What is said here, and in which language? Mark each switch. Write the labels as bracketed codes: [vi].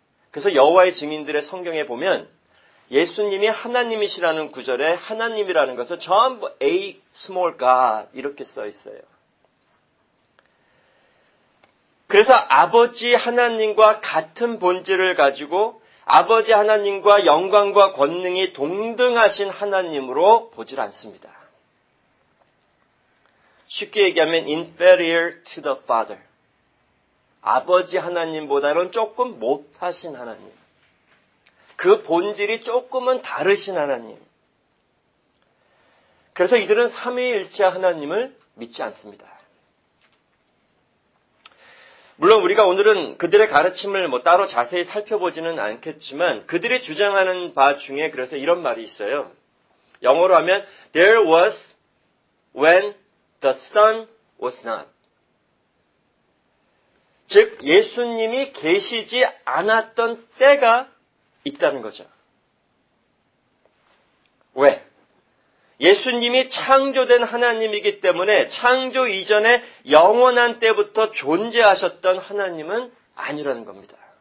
[ko] 그래서 여호와의 증인들의 성경에 보면 예수님이 하나님이시라는 구절에 하나님이라는 것을 전부 [en] A small God [ko] 이렇게 써 있어요. 그래서 아버지 하나님과 같은 본질을 가지고 아버지 하나님과 영광과 권능이 동등하신 하나님으로 보질 않습니다. 쉽게 얘기하면 [en] inferior to the Father. [ko] 아버지 하나님보다는 조금 못하신 하나님. 그 본질이 조금은 다르신 하나님. 그래서 이들은 삼위일체 하나님을 믿지 않습니다. 물론 우리가 오늘은 그들의 가르침을 뭐 따로 자세히 살펴보지는 않겠지만 그들이 주장하는 바 중에 그래서 이런 말이 있어요. 영어로 하면 [en] There was when the Son was not. [ko] 즉 예수님이 계시지 않았던 때가 있다는 거죠. 왜? 예수님이 창조된 하나님이기 때문에 창조 이전에 영원한 때부터 존재하셨던 하나님은 아니라는 겁니다.